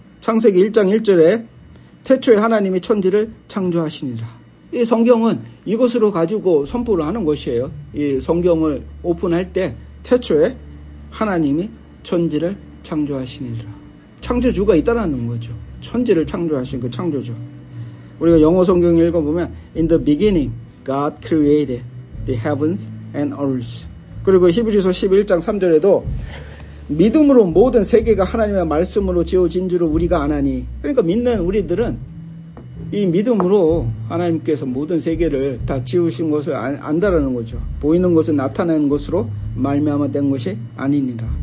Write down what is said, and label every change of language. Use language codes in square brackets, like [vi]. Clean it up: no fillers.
[ko] 창세기 1장 1절에 태초에 하나님이 천지를 창조하시니라. 이 성경은 이것으로 가지고 선포를 하는 것이에요. 이 성경을 오픈할 때 태초에 하나님이 천지를 창조하시니라. 창조주가 있다라는 거죠. 천지를 창조하신 그 창조주. 우리가 영어 성경 읽어보면 [en] In the beginning, God created the heavens and earth. [ko] 그리고 히브리서 11장 3절에도 믿음으로 모든 세계가 하나님의 말씀으로 지어진 줄을 우리가 아나니. 그러니까 믿는 우리들은 이 믿음으로 하나님께서 모든 세계를 다 지으신 것을 안다라는 거죠. 보이는 것은 나타나는 것으로 말미암아 된 것이 아니니라.